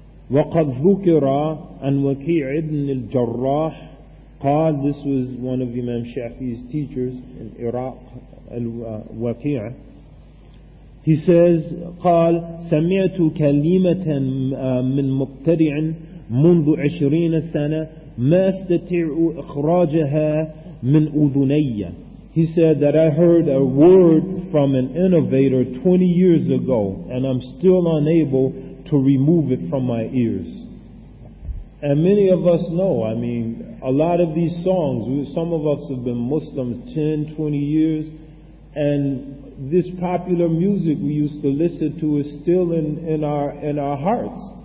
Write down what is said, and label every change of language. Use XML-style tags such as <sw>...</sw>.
<ar>وقد ذكر عن وكيع بن الجراح قال,</ar> <en>this was one of Imam Shafi's teachers in Iraq, Waqi'. He says,</en> <ar>قال سمعت كلمة من مبتدع منذ 20 سنة ما استطيع إخراجها من أذني.</ar> <en>He said that I heard a word from an innovator 20 years ago and I'm still unable to remove it from my ears. And many of us know, I mean, a lot of these songs, some of us have been Muslims 10, 20 years, and this popular music we used to listen to is still in our hearts.</en>